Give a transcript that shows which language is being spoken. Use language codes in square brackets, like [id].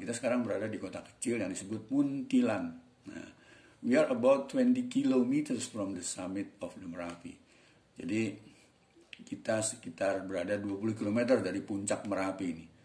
[id] Kita sekarang berada di kota kecil yang disebut Muntilan. [en] Nah, we are about 20 kilometers from the summit of the Merapi. [id] Jadi kita sekitar berada 20 km dari puncak Merapi ini.